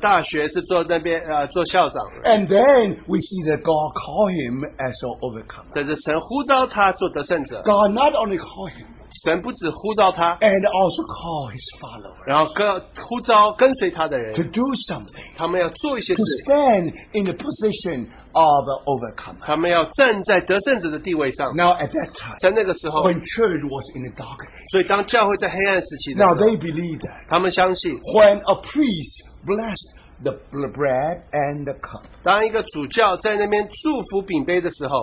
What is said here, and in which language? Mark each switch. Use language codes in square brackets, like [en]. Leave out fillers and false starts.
[zh] 他是在布拉格的大学是做那边做校长。 [en] And then we see that God called him as an overcomer. [zh] 这是神呼召他做得胜者。 [en] God not only called him. [zh] 神不止呼召他, [en] and also call his followers [zh] 然后呼召跟随他的人, [en] to do something, [zh] 他们要做一些事, [en] to stand in the position of an overcomer. [zh] 他们要站在得胜者的地位上。 [en] Now at that time, [zh] 在那个时候, [en] when church was in the darkness, [zh] 所以当教会在黑暗时期的时候, [en] now they believe that, [zh] 他们相信, [en] when a priest blessed the bread and the cup, [zh] 当一个主教在那边祝福饼杯的时候,